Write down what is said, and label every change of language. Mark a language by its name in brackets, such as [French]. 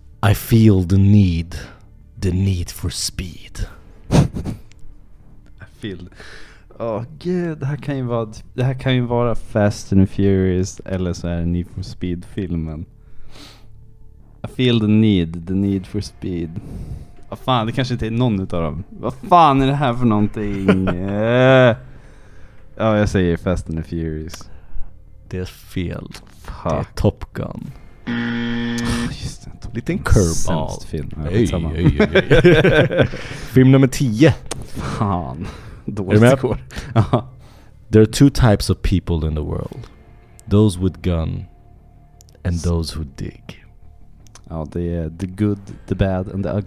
[English] I feel the need for speed. I feel. [Swedish] Åh gud, det här kan ju vara, det här kan ju vara Fast and Furious eller så är det Need for Speed filmen. [English] I feel the need for speed. [Swedish] Vad fan, det kanske inte är någon utav dem. Vad fan är det här för någonting? Ja, jag säger Fast and Furious. Det är fel. Fuck. Det är Top Gun. Just det, liten curveball. Film. Film nummer 10. Fan. Dåligt skor. [English] There are two types of people in the world. Those with gun and those who dig. [Swedish] Ja, det är the good, the bad and the ugly.